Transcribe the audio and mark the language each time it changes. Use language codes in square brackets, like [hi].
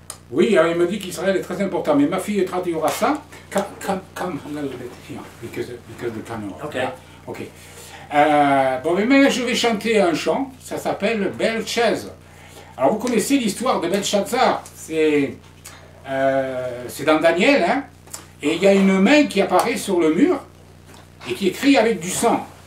[fr] Oui, il me dit qu'Israël est très important, mais ma fille traduira ça. [en] Come a little bit here, because the camera. Okay. Yeah? Okay. [fr] Bon, mais maintenant je vais chanter un chant, ça s'appelle Belshazzar. Alors vous connaissez l'histoire de Belshazzar, c'est dans Daniel, hein? Et il y a une main qui apparaît sur le mur et qui écrit avec du sang.